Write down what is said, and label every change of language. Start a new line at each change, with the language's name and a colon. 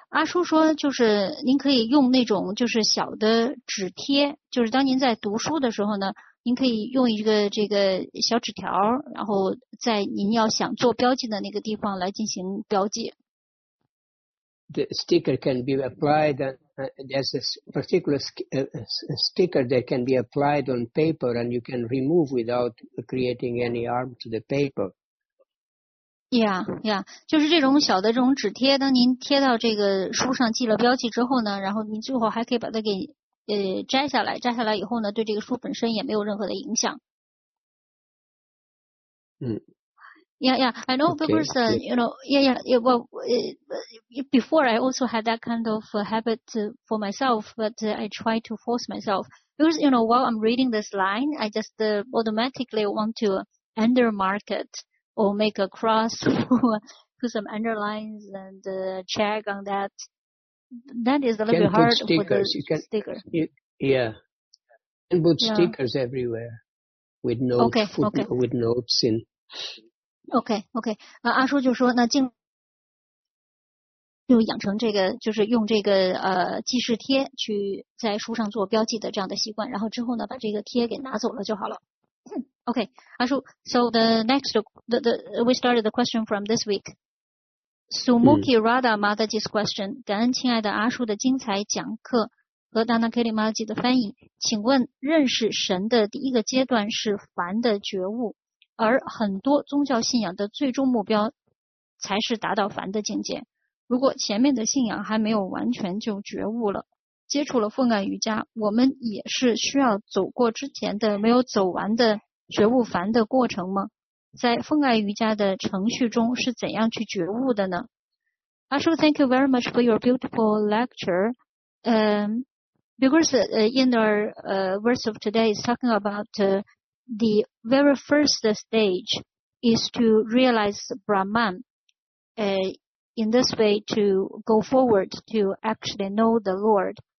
Chinese: 阿叔说就是您可以用那种就是小的纸贴，就是当您在读书的时候呢，您可以用一个这个小纸条，然后在您要想做标记的那个地方来进行标记。
English: The sticker can be applied as a particular sticker that can be applied on paper and you can remove without creating any harm to the paper. Yeah.
Chinese: 就是这种小的这种纸贴，当您贴到这个书上记了标记之后呢，然后您最后还可以把它给摘下来，摘下来以后呢，对这个书本身也没有任何的影响。
English: Yeah, I know, okay, because, before I also had that kind of habit for myself, but I try to force myself. Because, you know, while I'm reading this line, I just automatically want to undermark it or make a cross, put some underlines and check on that. That is a little bit hard for the sticker. You can put stickers everywhere with notes, with notes in.
Chinese: OK, 阿叔就说那尽就养成这个就是用这个记事贴去在书上做标记的这样的习惯，然后之后呢把这个贴给拿走了就好了。
English: OK, 阿叔 so we started the question from this week. Sumuki Radha Mataji's question,
Chinese: 感恩亲爱的阿叔的精彩讲课和 Danakeli Mataji 的翻译，请问认识神的第一个阶段是凡的觉悟。而很多宗教信仰的最终目标才是达到凡的境界。如果前面的信仰还没有完全就觉悟了，接触了奉感瑜伽，我们也是需要走过之前的没有走完的觉悟凡的过程吗？在奉感瑜伽的程序中是怎样去觉悟的呢？
English: Ashu, thank you very much for your beautiful lecture. Because in our verse of today is talking about the very first stage is to realize Brahman, in this way to go forward to actually know the Lord.